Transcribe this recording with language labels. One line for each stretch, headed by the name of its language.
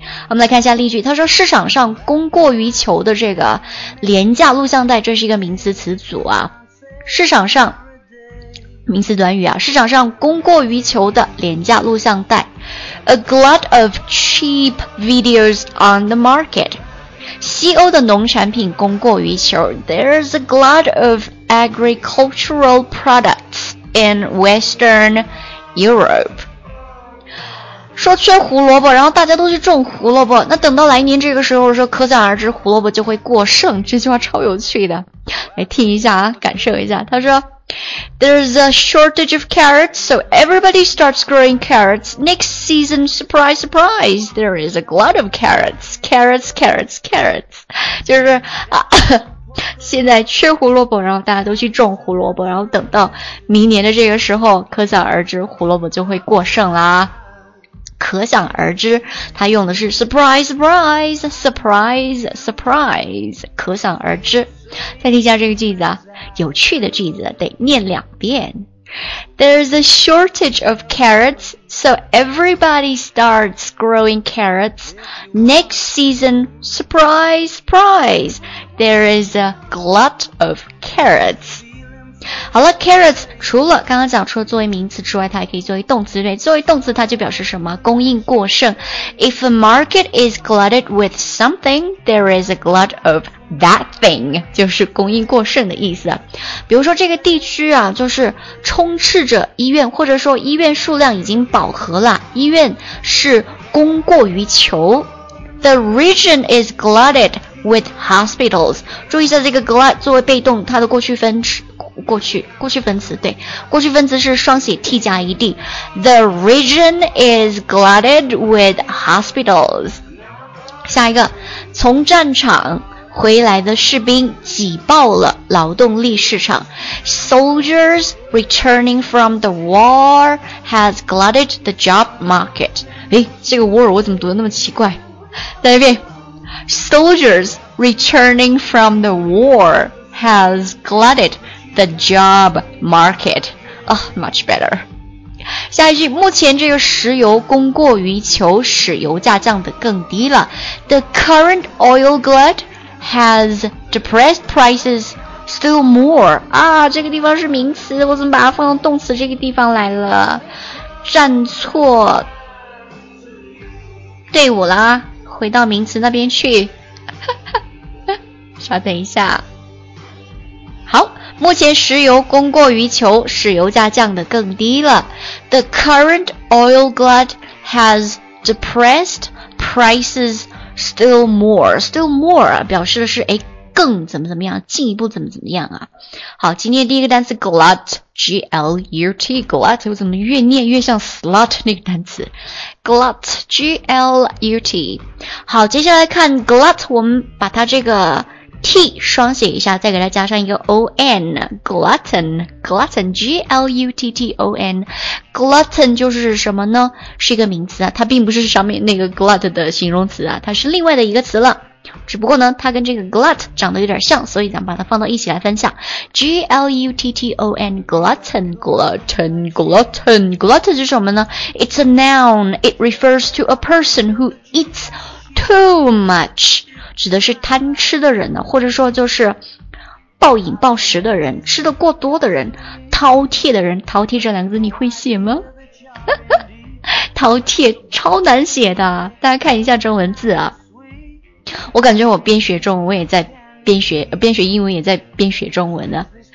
Chinese: 我们来看一下例句，他说市场上供过于求的这个廉价录像带，这是一个名词词组啊。市场上，名词短语啊，市场上供过于求的廉价录像带。
English: A glut of cheap videos on the market.
Chinese: 西欧的农产品供过于求。
English: There's a glut of agricultural products in Western Europe.
Chinese: 说缺胡萝卜，然后大家都去种胡萝卜，那等到来年这个时候，说可想而知胡萝卜就会过剩。这句话超有趣的，来听一下啊，感受一下。他说
English: There's a shortage of carrots, so everybody starts growing carrots. Next season, surprise, surprise, there is a glut of carrots. Carrots, carrots, carrots.
Chinese: 就是、啊、现在缺胡萝卜，然后大家都去种胡萝卜，然后等到明年的这个时候，可想而知胡萝卜就会过剩啦。可想而知，他用的是
English: surprise, surprise, surprise, surprise.
Chinese: 可想而知。再听一下这个句子啊，有趣的句子得念两遍。
English: There's a shortage of carrots, so everybody starts growing carrots. Next season, surprise, surprise, there is a glut of carrots.
Chinese: 好了 ，carrots 除了刚刚讲出作为名词之外，它还可以作为动词，对，作为动词它就表示什么？供应过剩。
English: If a market is glutted with something, there is a glut of that thing，
Chinese: 就是供应过剩的意思。比如说这个地区啊，就是充斥着医院，或者说医院数量已经饱和了，医院是供过于求。
English: The region is glutted with hospitals。
Chinese: 注意一下这个 glut 作为被动，它的过去分词。过去分词对，过去分词是双写 T 加 ED。
English: The region is glutted with hospitals。
Chinese: 下一个，从战场回来的士兵挤爆了劳动力市场。
English: Soldiers returning from the war has glutted the job market。
Chinese: 诶，这个 war 我怎么读得那么奇怪，再来一遍。
English: Soldiers returning from the war has gluttedThe job market. Oh, much better.
Chinese: 下一句，目前这个石油供过于求，使油价降得更低了。
English: The current oil glut has depressed prices still more.
Chinese: 啊，这个地方是名词，我怎么把它放到动词这个地方来了？站错队伍啦，回到名词那边去。稍等一下。目前石油供过于求，使油价降得更低了。
English: The current oil glut has depressed prices still more.
Chinese: Still more 啊，表示的是诶更怎么怎么样，进一步怎么怎么样啊。好，今天第一个单词 glut, G-L-U-T, glut, 我怎么越念越像 slut 那个单词。 glut, G-L-U-T。 好，接下来看 glut, 我们把它这个T 双写一下，再给它加上一个 on， glutton， G-L-U-T-T-O-N， glutton 就是什么呢？是一个名词啊，它并不是上面那个 glut 的形容词啊，它是另外的一个词了。只不过呢，它跟这个 glut 长得有点像，所以咱们把它放到一起来分享。 G-L-U-T-T-O-N， glutton， glutton， glutton， glutton 是什么呢？
English: It's a noun. It refers to a person who eats too much.
Chinese: 指的是贪吃的人呢，或者说就是暴饮暴食的人，吃的过多的人，饕餮的人。饕餮这两个字你会写吗？饕餮超难写的，大家看一下中文字啊。我感觉我边学中文我也在边学英文也在边学中文呢。